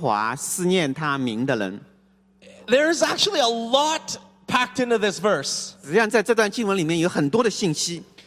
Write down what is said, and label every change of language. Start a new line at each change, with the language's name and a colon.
Chinese: 且有纪念册在他面前记录那敬畏耶和华思念他名的人.
English: There is actually a lot packed into this verse.
Chinese: 实际上在这段经文里面有很多的信息.